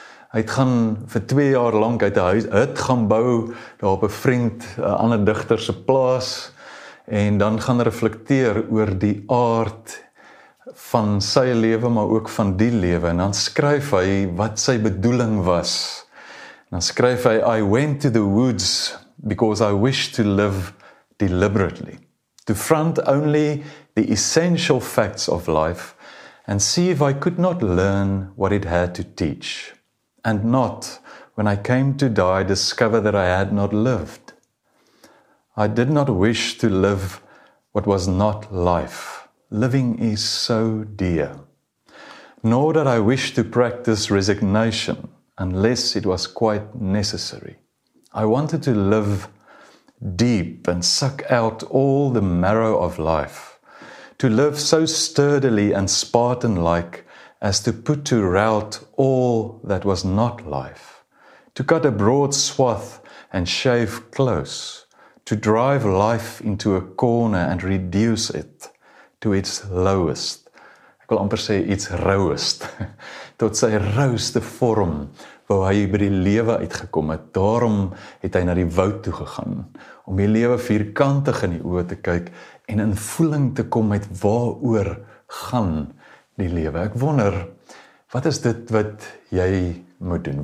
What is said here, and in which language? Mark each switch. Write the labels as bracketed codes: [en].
[af] Hy het gaan vir 2 jaar lank uit 'n huis het gaan bou daar op 'n vriend, 'n ander digter se plaas en dan gaan reflekteer oor die aard van sy lewe maar ook van die lewe en dan skryf hy wat sy bedoeling was. En dan skryf hy [en] I went to the woods because I wished to live deliberately. To front only the essential facts of life and see if I could not learn what it had to teach and not, when I came to die, discover that I had not lived. I did not wish to live what was not life. Living is so dear. Nor did I wish to practice resignation unless it was quite necessary. I wanted to live deep and suck out all the marrow of life, to live so sturdily and Spartan-like as to put to rout all that was not life, to cut a broad swath and shave close, to drive life into a corner and reduce it to its lowest. [af] Ek wil amper sê [en] its rouest. [af] Tot sy rouste vorm wou hy by die lewe uitgekom het. Daarom het hy na die woud toe gegaan, om die lewe vierkantig in die oë te kyk en in voeling te kom met waaroor gaan die lewe. Ek wonder, wat is dit wat jy moet doen?